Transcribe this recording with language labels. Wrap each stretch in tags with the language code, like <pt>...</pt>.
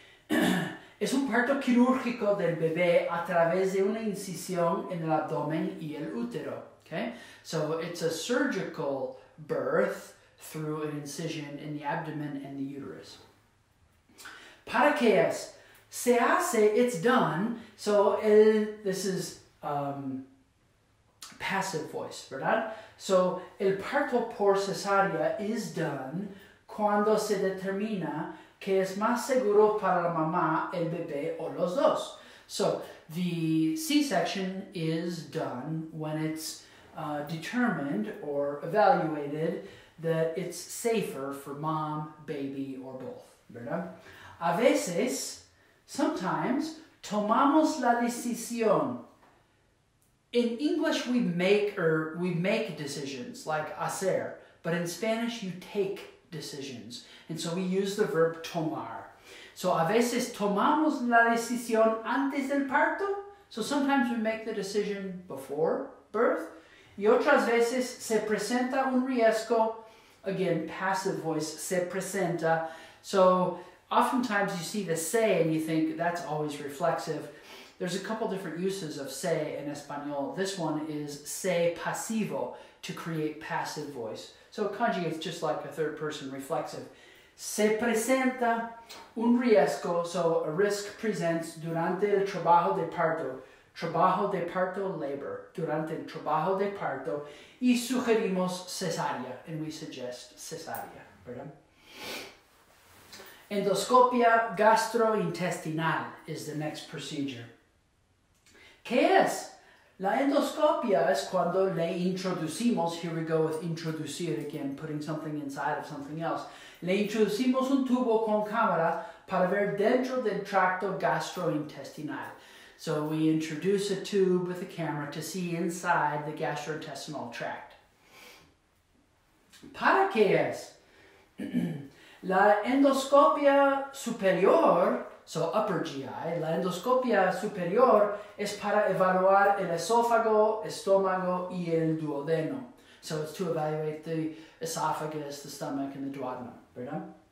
<es>Es un parto quirúrgico del bebé a través de una incisión en el abdomen y el útero.</es> <en>Okay? So it's a surgical birth through an incision in the abdomen and the uterus.</en> <es>¿Para qué es? Se hace,</es> <en>it's done. So this is passive voice, ¿verdad?</en> <es>So el parto por cesárea</es> <en>is done</en> <es>cuando se determina que es más seguro para la mamá, el bebé, o los dos.</es> <en>So, the C-section is done when it's determined or evaluated that it's safer for mom, baby, or both, ¿verdad?</en> <es>A veces, sometimes, tomamos la decisión.</es> <en>In English, we make decisions, like hacer, but in Spanish, you take decisions. And so we use the verb tomar.</en> <es>So a veces tomamos la decisión antes del parto.</es> <en>So sometimes we make the decision before birth.</en> <es>Y otras veces se presenta un riesgo.</es> <en>Again, passive voice,</en> <es>se presenta.</es> <en>So oftentimes you see the se and you think that's always reflexive. There's a couple different uses of se in Espanol. This one is se pasivo, to create passive voice. So conjugates just like a third person reflexive.</en> <es>Se presenta un riesgo,</es> <en>so a risk presents</en> <es>durante el trabajo de parto. Trabajo de parto, labor. Durante el trabajo de parto, y sugerimos cesárea,</es> <en>and we suggest</en> <es>cesárea, ¿verdad?</es> <en>Endoscopia gastrointestinal is the next procedure.</en> <es>¿Qué es? La endoscopia es cuando le introducimos,</es> <en>here we go with introducir again, putting something inside of something else.</en> <es>Le introducimos un tubo con cámara para ver dentro del tracto gastrointestinal.</es> <en>So we introduce a tube with a camera to see inside the gastrointestinal tract.</en> <es>¿Para qué es? La endoscopia superior, so upper GI, la endoscopia superior es para evaluar el esófago, estómago y el duodeno.</es> <en>So it's to evaluate the esophagus, the stomach, and the duodenum, ¿verdad?</en>